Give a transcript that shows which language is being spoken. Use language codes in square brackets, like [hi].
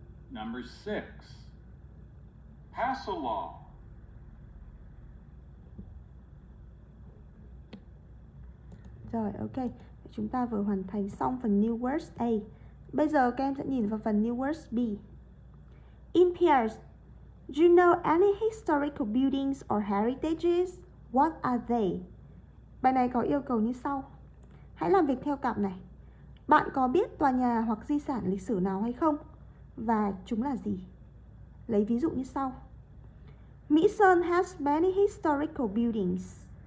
[en] Number 6, pass a law. [vi] Rồi, ok. Chúng ta vừa hoàn thành xong phần new words A. Bây giờ các em sẽ nhìn vào phần new words B. [en] In pairs, do you know any historical buildings or heritages? What are they? [vi] Bài này có yêu cầu như sau. Hãy làm việc theo cặp này. Bạn có biết tòa nhà hoặc di sản lịch sử nào hay không? Và chúng là gì? Lấy ví dụ như sau. [en] Mỹ Sơn has many historical buildings.